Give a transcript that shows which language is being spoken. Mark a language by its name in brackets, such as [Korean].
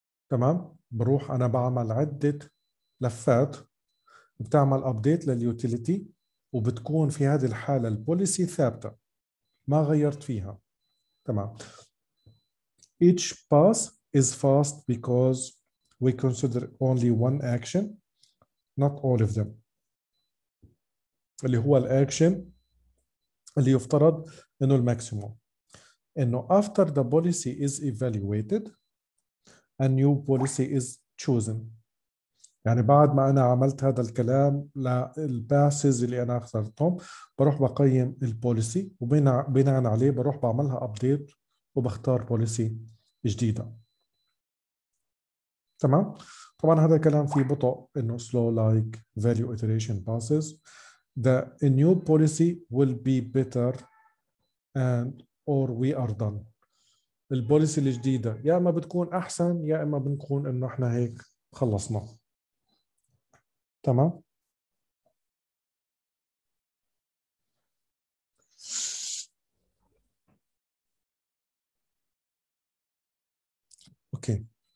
[Arabic] تمام؟ بروح انا بعمل عده لفات بتعمل ابديت لليوتيليتي، وبتكون في هذه الحالة البوليسي ثابتة ما غيرت فيها، تمام؟ [English] Each pass is fast because we consider only one action, not all of them. [Arabic] اللي هو الأكشن اللي يفترض إنه الماكسيموم. إنه [English] after the policy is evaluated, a new policy is chosen. [Arabic] يعني بعد ما أنا عملت هذا الكلام للباسز اللي أنا اخترتهم، بروح بقيم البوليسي وبناء عليه بروح بعملها أبديت وبختار بوليسي جديدة، تمام؟ طبعا هذا الكلام فيه بطء، إنه [English] slow like value iteration passes. The new policy will be better and or we are done. [Arabic] البوليسي الجديدة يا إما بتكون أحسن يا إما بنكون إنه إحنا هيك خلصنا، تمام؟ اوكي.